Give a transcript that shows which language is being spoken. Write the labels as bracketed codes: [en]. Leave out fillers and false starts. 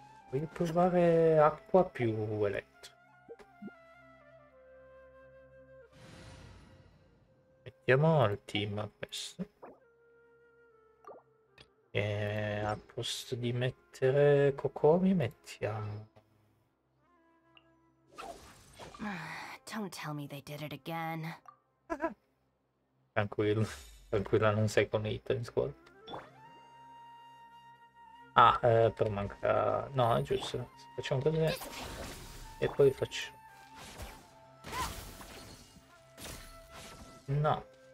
[it] Voglio provare acqua più elettrica. Mettiamo il team a questo. E al posto di mettere Kokomi mettiamo. [en] Don't tell me they did it again. [it] Tranquillo. Tranquilla, non sei con i Item Squad. Ah, però manca. No, è giusto. Facciamo così. E poi faccio. No.